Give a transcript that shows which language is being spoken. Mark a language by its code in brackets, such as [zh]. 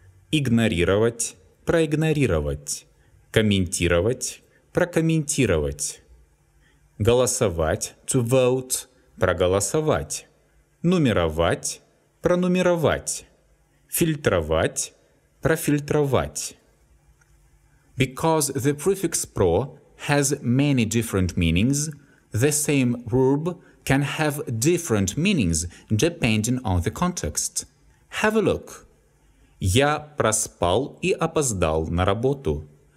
[ru] Игнорировать – проигнорировать. Комментировать – прокомментировать. Голосовать – [en] to vote, [ru] проголосовать. Нумеровать – пронумеровать. Фильтровать – профильтровать. [en] Because the prefix «pro» has many different meanings, the same verb can have different meanings depending on the context. Have a look. [ru] Я проспал и опоздал на работу.